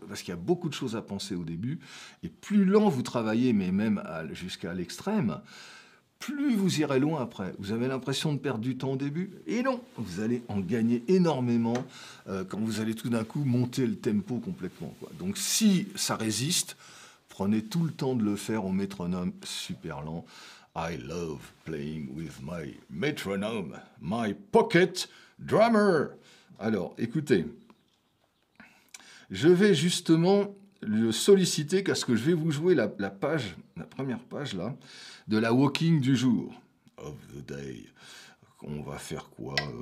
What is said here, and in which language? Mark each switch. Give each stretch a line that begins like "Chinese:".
French: Parce qu'il y a beaucoup de choses à penser au début. Et plus lent vous travaillez, mais même jusqu'à l'extrême, plus vous irez loin après. Vous avez l'impression de perdre du temps au début. Et non, vous allez en gagner énormément quand vous allez tout d'un coup monter le tempo complètement, quoi. Donc si ça résiste, prenez tout le temps de le faire au métronome super lent.
English: I love playing with my metronome, my pocket drummer.
French: Alors, écoutez, je vais justement le solliciter parce que je vais vous jouer la première page là, de la walking du jour,
English: of the day.
French: On va faire quoi?